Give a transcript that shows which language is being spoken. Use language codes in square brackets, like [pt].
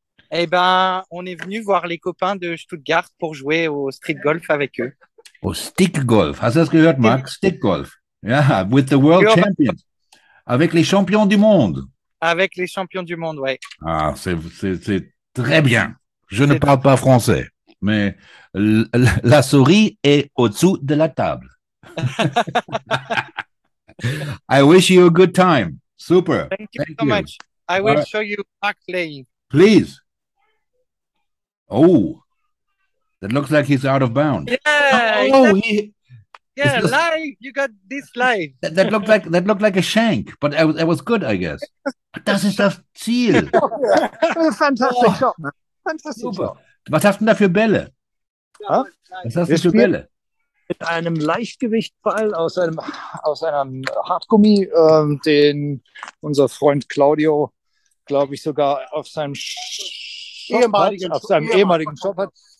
[fr] Eh ben, on est venu voir les copains de Stuttgart pour jouer au street golf avec eux. Au stick golf. [de] Hast du das gehört, Marc? Stick golf. [en] Yeah, with the world champions. [fr] Avec les champions du monde. Avec les champions du monde, ouais. Ah, c'est très bien. Je ne parle pas français, mais la souris est au-dessous de la table. [en] I wish you a good time. Super. Thank you so much. I will show you Mark playing. Please. Oh, that looks like he's out of bounds. Yeah. Oh, live. You got this live. That looked like a shank, but it was good, I guess. [de] Das ist das Ziel. Fantastisch. Was hast du denn da für Bälle? Was hast du für Bälle? Mit einem Leichtgewichtball aus einem Hartgummi, den unser Freund Claudio, glaube ich, sogar auf seinem ehemaligen Shop hat.